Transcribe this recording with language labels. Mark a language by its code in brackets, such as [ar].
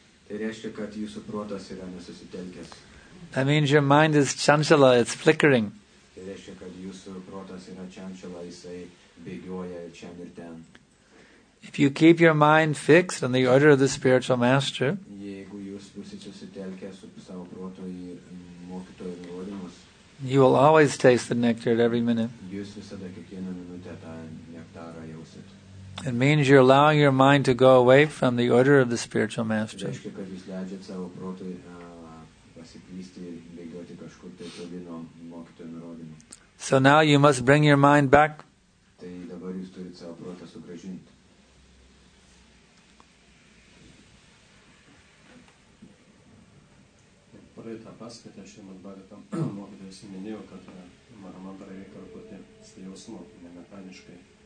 [lt] Tai reiškia, kad jūsų protas yra nesusitelkęs. [en] That means your mind is chanchala, it's flickering. [lt] Tai reiškia, kad jūsų protas yra chanchala, jisai bėgioja čia ir ten. [en] If you keep your mind fixed on the order of the spiritual master, [lt] jeigu jūs būsite susitelkęs su savo proto ir mokytojo nurodymus, [en] you will always taste the nectar at every minute. [lt] Jūs visada kiekvieną minutę tą nektarą jausit. [en] It means you're allowing your mind to go away from the order of the spiritual master. [lt] Tai reiškia, kad jūs leidžiate savo protui pasiklysti ir bėgioti kažkur tai toli nuo mokytojo nurodymų. [en] So now you must bring your mind back. [lt] Tai dabar jūs turite savo protą sugrąžinti. Praeitą paskaitę šiandien Bhagavatam mokytojas minėjo, kad mantrą reikia kartoti su jausmu, nemechaniškai.